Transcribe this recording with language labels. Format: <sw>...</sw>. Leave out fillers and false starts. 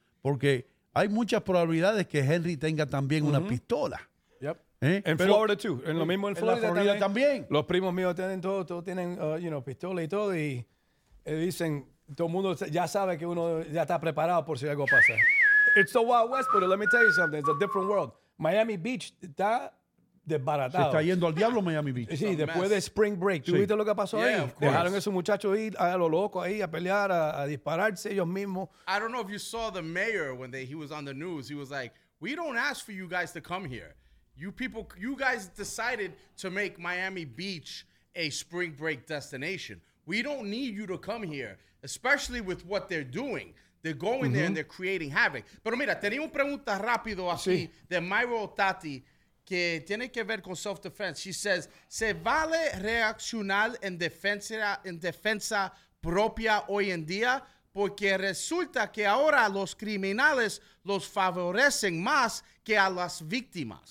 <es>Porque hay muchas probabilidades que Henry tenga también una pistola. En Florida, too. En lo mismo en Florida, también. Los primos míos tienen todos tienen</es> <en>you know,</en> <es>pistola y todo. Y dicen, todo el mundo ya sabe que uno ya está preparado por si algo pasa.</es> <en>It's the Wild West, but let me tell you something. It's a different world.</en> <es>Miami Beach está desbaratado. Se está yendo al diablo Miami Beach. Sí, it's después de Spring Break. ¿Tú viste lo que pasó ahí? Dejaron a esos muchachos ir a lo loco ahí, a pelear, a dispararse ellos mismos.</es> <en>I don't know if you saw the mayor when he was on the news. He was like, we don't ask for you guys to come here. You guys decided to make Miami Beach a spring break destination. We don't need you to come here, especially with what they're doing. They're going there and they're creating havoc.</en> <es>Pero mira, tenía una pregunta rápido así de Myro Otati que tiene que ver con self-defense.</es> <en>She says,</en> <es>¿se vale reaccionar en defensa propia hoy en día? Porque resulta que ahora los criminales los favorecen más que a las víctimas.</es>